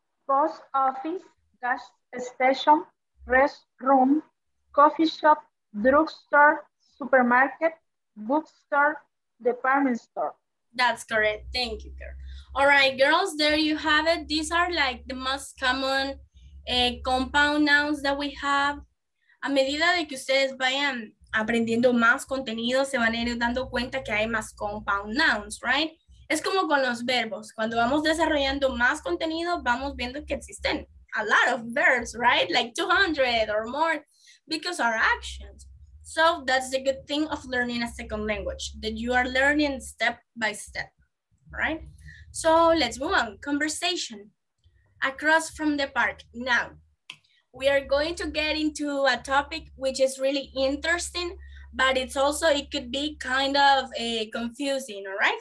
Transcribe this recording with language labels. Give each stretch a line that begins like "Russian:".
English: Post office, gas station, restroom, coffee shop, drugstore, supermarket, bookstore, department store. That's correct. Thank you, girl. All right, girls, there you have it. These are like the most common compound nouns that we have.
Spanish: A medida de que ustedes vayan aprendiendo más contenido, se van a ir dando cuenta que hay más compound nouns, right? Es como con los verbos. Cuando vamos desarrollando más contenido, vamos viendo que existen
English: a lot of verbs,
Spanish: right?
English: Like 200 or more, because our actions. So that's the good thing of learning a second language, that you are learning step by step, right? So let's move on. Conversation. Across from the park. Now, we are going to get into a topic which is really interesting, but it's also, it could be kind of confusing, all right?